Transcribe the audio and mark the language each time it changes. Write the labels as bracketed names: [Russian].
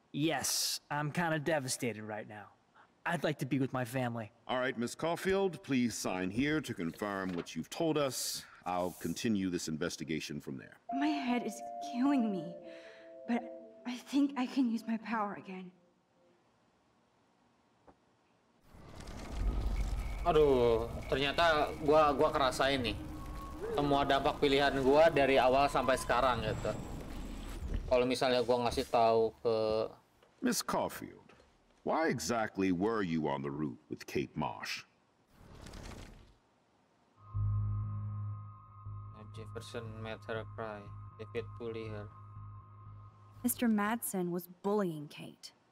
[English] Yes, I'm kind of devastated right now. I'd like to be with my family. All right, Miss Caulfield, please sign here to confirm what you've told us. I'll continue this investigation from there. My head is killing me, but I think I can use my power again. [Indonesian] Aduh, ternyata gua kerasain nih semua dampak pilihan gua dari awal sampai sekarang gitu. Kalau misalnya gua ngasih tahu ke [English] Miss Caulfield. Why exactly were you on the roof with Kate Marsh? Jefferson made her cry. David bullied her. Mr. Madsen was bullying Kate.